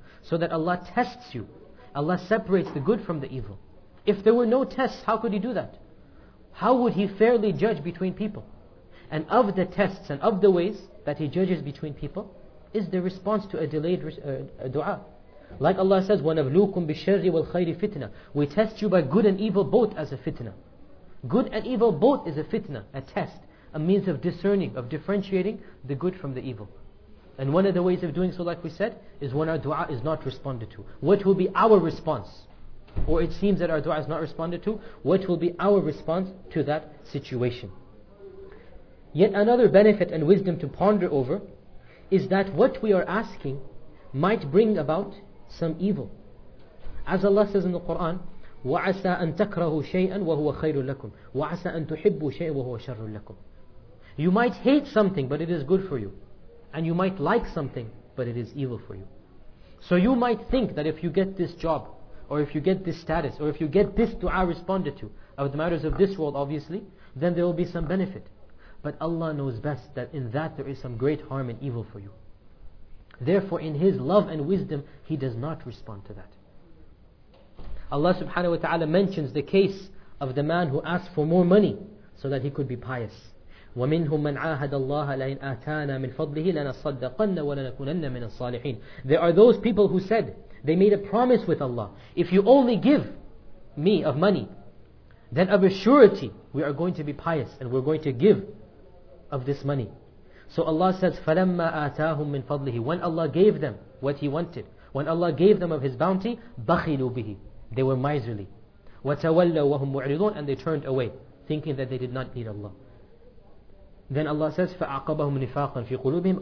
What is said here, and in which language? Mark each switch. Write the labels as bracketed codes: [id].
[en] So that Allah tests you. Allah separates the good from the evil. If there were no tests, how could He do that? How would He fairly judge between people? And of the tests and of the ways that He judges between people, is the response to a delayed a dua. Like Allah says, [ar] وَنَبْلُوكُمْ بِالشَّرِّ وَالْخَيْرِ فِتْنَةً. [en] We test you by good and evil both as a fitna. Good and evil both is a fitna, a test, a means of discerning, of differentiating the good from the evil. And one of the ways of doing so, like we said, is when our dua is not responded to. What will be our response? Or it seems that our dua is not responded to, what will be our response to that situation? Yet another benefit and wisdom to ponder over is that what we are asking might bring about some evil. As Allah says in the Quran, [ar] وَعَسَىٰ أَن تَكْرَهُ شَيْئًا وَهُوَ خَيْرٌ لَكُمْ وَعَسَىٰ أَن تُحِبُّ شَيْئًا وَهُوَ شَرٌ لَكُمْ. [en] You might hate something, but it is good for you. And you might like something, but it is evil for you. So you might think that if you get this job, or if you get this status, or if you get this dua responded to, of the matters of this world obviously, then there will be some benefit. But Allah knows best that in that there is some great harm and evil for you. Therefore in His love and wisdom, He does not respond to that. Allah subhanahu wa ta'ala mentions the case of the man who asked for more money so that he could be pious. [ar] وَمِنْهُمْ مَنْ عَاهَدَ اللَّهَ لَئِنْ آتَانَا مِنْ فَضْلِهِ لَنَصَّدَّقَنَّ وَلَنَكُونَنَّ مِنَ الصَّالِحِينَ. [en] There are those people who said, they made a promise with Allah, if you only give me of money, then of a surety we are going to be pious and we're going to give of this money. So Allah says, [ar] فَلَمَّا آتَاهُمْ مِنْ فَضْلِهِ. [en] When Allah gave them what He wanted, when Allah gave them of His bounty, [ar] بَخِلُوا بِهِ. [en] They were miserly. [ar] وَتَوَلَّوا وَهُمْ مُعْرِضُونَ. [en] And they turned away, thinking that they did not need Allah. Then Allah says, [ar] فَأَعْقَبَهُمْ نِفَاقًا فِي قُلُوبِهِمْ.